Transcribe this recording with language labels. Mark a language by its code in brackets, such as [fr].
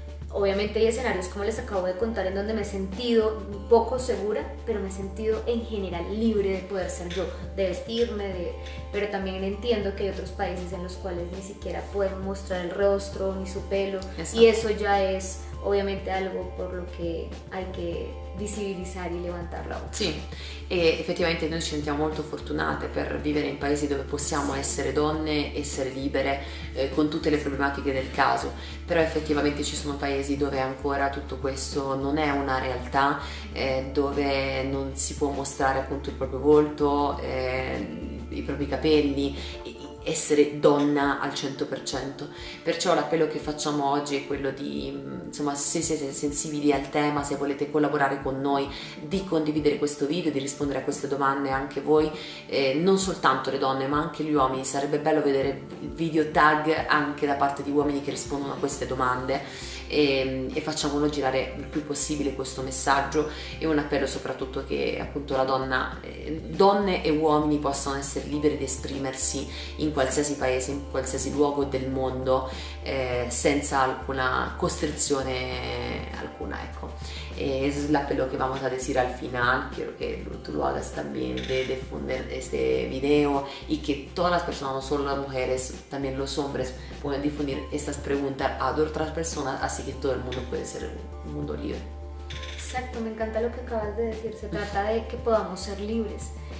[es] Obviamente hay escenarios, como les acabo de contar, en donde me he sentido un poco segura, pero me he sentido en general libre de poder ser yo, de vestirme, de... pero también entiendo que hay otros países en los cuales ni siquiera pueden mostrar el rostro ni su pelo. Exacto. Y eso ya es obviamente algo por lo que hay que visibilizar y levantar la voz. [it] Sí, effettivamente noi ci sentiamo molto fortunate per vivere in paesi dove possiamo essere donne, essere libere, con tutte le problematiche del caso, però effettivamente ci sono paesi dove ancora tutto questo non è una realtà, dove non si può mostrare appunto il proprio volto, i propri capelli, essere donna al 100%. Perciò l'appello che facciamo oggi è quello di, insomma, se siete sensibili al tema, se volete collaborare con noi, di condividere questo video, di rispondere a queste domande anche voi, non soltanto le donne ma anche gli uomini. Sarebbe bello vedere video tag anche da parte di uomini che rispondono a queste domande, e facciamolo girare il più possibile questo messaggio. E un appello soprattutto che appunto la donna, donne e uomini possano essere liberi di esprimersi in qualsiasi paese, in qualsiasi luogo del mondo, senza alcuna costrizione alcuna, ecco. [es] E es [it] l'appello che [es] vamos a decir al final. Quiero que tú lo hagas también, de difundir este video, y que todas las personas, no solo las mujeres, también los hombres, puedan difundir estas preguntas a otras personas, así que todo el mundo puede ser un mundo libre. Exacto, me encanta lo que acabas de decir. Se trata de que podamos ser libres.